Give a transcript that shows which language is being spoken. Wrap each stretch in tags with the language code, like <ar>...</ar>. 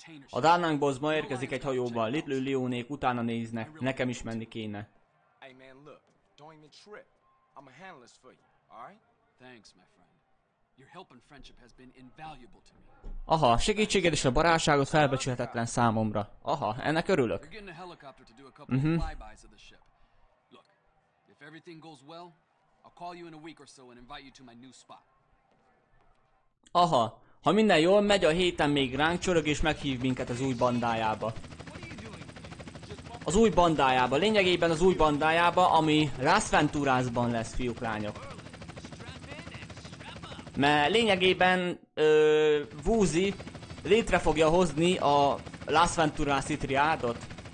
<hu>A Danang Boys ma érkezik egy hajóval. Little Leonék utána néznek. Nekem is menni kéne.</hu> <en>I'm a handless for you, all right? Thanks, my friend. Your help and friendship has been invaluable to me.</en> <hu>Aha, segítséged és a barátságod felbecsülhetetlen számomra. Aha, ennek örülök.</hu> <en>We're getting a helicopter to do a couple of flybys of the ship. Look, if everything goes well, I'll call you in a week or so and invite you to my new spot.</en> <hu>Aha, ha minden jól megy, a héten még ránk csörög és meghív minket az új bandájába. Az új bandájába, lényegében az új bandájába, ami Las Venturasban lesz, fiúk, lányok. Mert lényegében Woozy létre fogja hozni a Las Venturasi triádot.</hu>